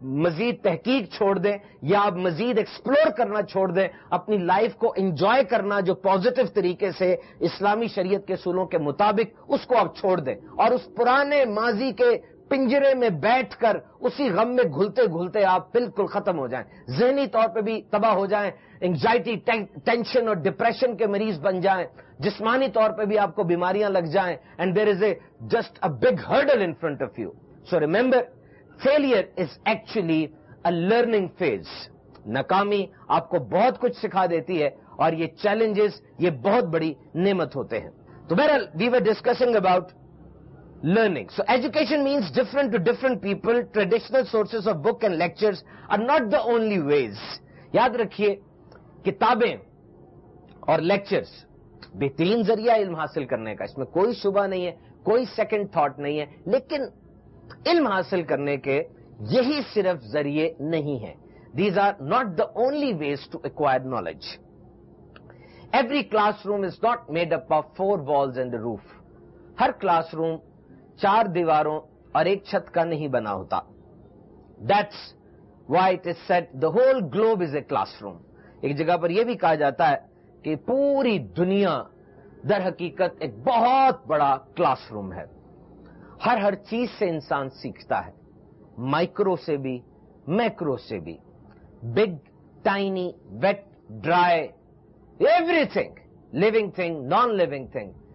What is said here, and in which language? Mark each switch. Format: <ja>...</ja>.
<ur>مزید تحقیق چھوڑ دیں, یا آپ مزید ایکسپلور کرنا چھوڑ دیں, اپنی لائف کو انجوائے کرنا جو پازیٹو طریقے سے اسلامی شریعت کے اصولوں کے مطابق, اس کو آپ چھوڑ دیں اور اس پرانے ماضی کے پنجرے میں بیٹھ کر اسی غم میں گھلتے گھلتے آپ بالکل ختم ہو جائیں, ذہنی طور پہ بھی تباہ ہو جائیں, انگزائٹی ٹینشن اور ڈپریشن کے مریض بن جائیں, جسمانی طور پہ بھی آپ کو بیماریاں لگ جائیں,</ur> <en>And there is a just a big hurdle in front of you. So remember, failure is actually a learning phase.</en> <ur>ناکامی آپ کو بہت کچھ سکھا دیتی ہے اور یہ چیلنجز یہ بہت بڑی نعمت ہوتے ہیں. تو بہرحال,</ur> <en>We were discussing about learning. So education means different to different people. Traditional sources of book and lectures are not the only ways.</en> <ur>یاد رکھیے, کتابیں اور lectures بہترین ذریعہ علم حاصل کرنے کا, اس میں کوئی شبہ نہیں ہے, کوئی second thought نہیں ہے, لیکن علم حاصل کرنے کے یہی صرف ذریعے نہیں ہیں.</ur> <en>These are not the only ways to acquire knowledge. Every classroom is not made up of four walls and a roof.</en> <ur>Hare class room چار دیواروں اور ایک چھت کا نہیں بنا ہوتا.</ur> <en>That's why it is said the whole globe is a classroom.</en> <ur>ایک جگہ پر یہ بھی کہا جاتا ہے کہ پوری دنیا در حقیقت ایک بہت بڑا کلاس روم ہے. ہر ہر چیز سے انسان سیکھتا ہے, مائکرو سے بھی, میکرو سے بھی,</ur> <en>big, tiny, wet, dry, everything, living thing,</en> <ur>non living thing.</ur>